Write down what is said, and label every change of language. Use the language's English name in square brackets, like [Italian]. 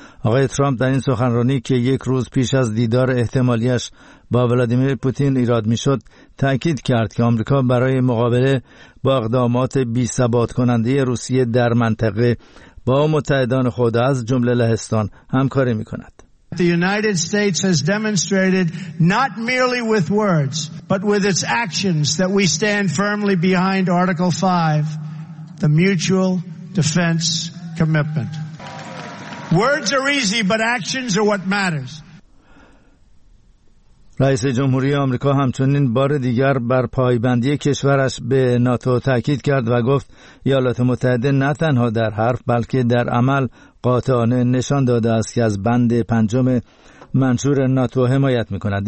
[Persian] آقای ترامپ در این سخنرانی که یک روز پیش از دیدار احتمالیش با ولادیمیر پوتین ایراد می‌شد، تأکید کرد که آمریکا برای مقابله با اقدامات بی‌ثبات کننده روسیه در منطقه با متحدان خود از جمله لهستان همکاری می‌کند. [English] The United States has demonstrated not merely with words, but with its actions that we stand firmly behind Article 5, the mutual defense commitment. Words are easy, but actions are what matters. [Persian] رئیس جمهوری آمریکا همچنین بار دیگر بر پایبندی کشورش به ناتو تاکید کرد و گفت ایالات متحده نه تنها در حرف بلکه در عمل قاطعانه نشان داده است که از بند پنجم منشور ناتو حمایت می‌کند.